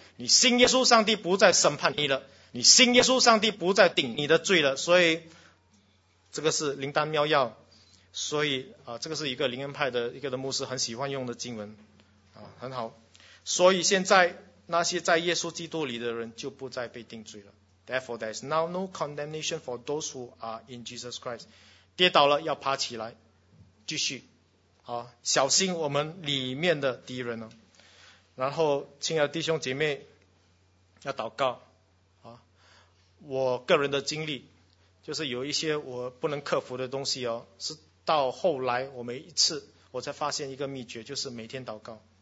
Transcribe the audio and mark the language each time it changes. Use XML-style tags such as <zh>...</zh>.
<zh>你信耶稣，上帝不再审判你了。你信耶稣，上帝不再顶你的罪了。所以这个是灵丹妙药。所以这个是一个灵恩派的一个的牧师很喜欢用的经文很好。所以现在那些在耶稣基督里的人就不再被定罪了。</zh> <en>Therefore there is now no condemnation for those who are in Jesus Christ.</en> <zh>跌倒了要爬起来继续小心我们里面的敌人哦。然后亲爱的弟兄姐妹要祷告我个人的经历就是有一些我不能克服的东西是到后来我每一次我才发现一个秘诀，就是每天祷告。</zh>